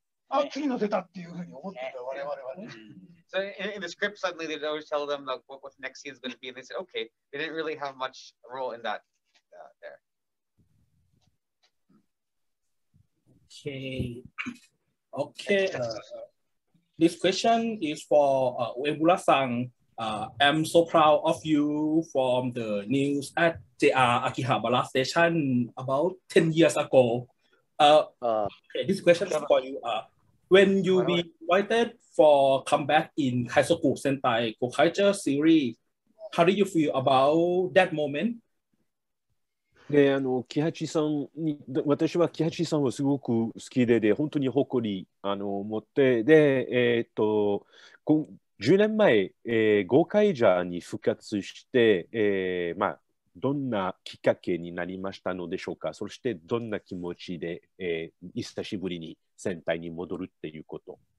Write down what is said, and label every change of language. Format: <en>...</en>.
<ja>あ、次の出たっていうふうに思ってた、ね、我々はね。</ja> <en>So in the script, suddenly they'd always tell them like what the next scene is going to be, and they said, okay, they didn't really have much role in that there. Okay. Okay. This question is for Uemura-san. I'm so proud of you from the news at JR Akihabara Station about 10 years ago. Okay, this question is for you. When you be invited for comeback in Kaisoku Sentai Gokaija series, how do you feel about that moment?</en> <ja>で、あの、キハチさんに、私はキハチさんをすごく好きで、で、本当に誇り、あの、持って、で、10年前、Gokaija に復活して、まあ、どんなきっかけになりましたのでしょうか。そしてどんな気持ちで、久しぶりに戦隊に戻るっていうこと。</ja>